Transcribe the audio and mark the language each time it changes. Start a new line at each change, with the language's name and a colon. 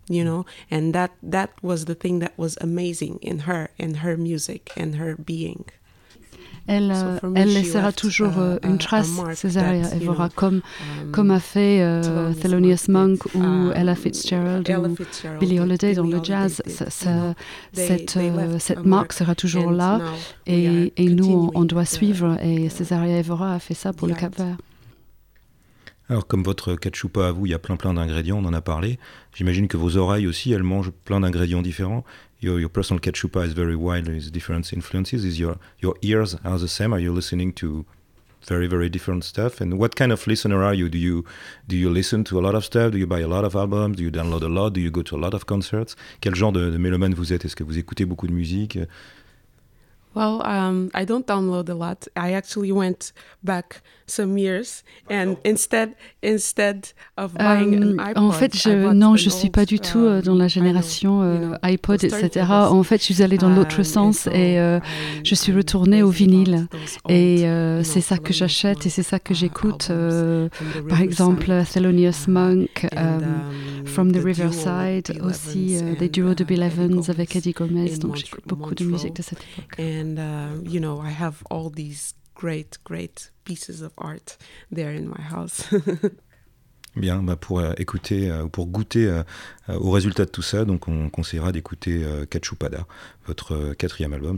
English: You know, and that was the thing that was amazing in her, and her music, and her being.
French: Elle laissera toujours une trace, Cesária Évora, comme a fait Thelonious Monk ou Ella Fitzgerald ou Billie Holiday dans le jazz. Cette marque sera toujours là, et nous on doit suivre. Et Cesária Évora a fait ça pour le Cap Vert. Alors, comme votre ketchup à vous, il y a plein d'ingrédients, on en a parlé. J'imagine que vos oreilles aussi, elles mangent plein d'ingrédients différents.
English: Your personal ketchup is very wide, with different influences. Is your ears are the same? Are you listening to very, very different stuff? And what kind of listener are you? Do you listen to a lot of stuff? Do you buy a lot of albums? Do you download a lot? Do you go to a lot of concerts?
French: Quel genre de mélomane vous êtes? Est-ce que vous écoutez beaucoup de musique?
English: Well, I don't download a lot. I actually went back some years, and instead of buying an iPod,
French: en fait, je suis pas du tout dans la génération iPod, etc. En fait, je suis allée dans l'autre sens je suis retournée au vinyle. Et c'est ça que j'achète et c'est ça que j'écoute. Par exemple, Thelonious Monk, From the Riverside, aussi des duos de Bill Evans avec Eddie Gomez. Donc, j'écoute beaucoup de musique de cette époque.
English: And you know, I have all these great, great pieces of art there in my house.
French: Bien, pour écouter ou pour goûter au résultat de tout ça, donc on conseillera d'écouter Cachupada, votre quatrième album.